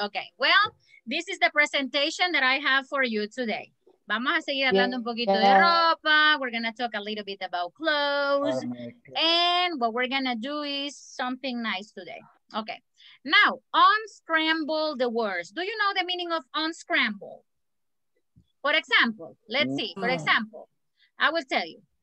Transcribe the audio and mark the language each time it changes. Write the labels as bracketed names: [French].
[English] Okay, well, this is the presentation that I have for you today. [Spanish] Vamos a seguir hablando un poquito de ropa. [English] We're going to talk a little bit about clothes. And what we're going to do is something nice today. Okay. Now, unscramble the words. Do you know the meaning of unscramble? For example, let's see. For example, I will tell you.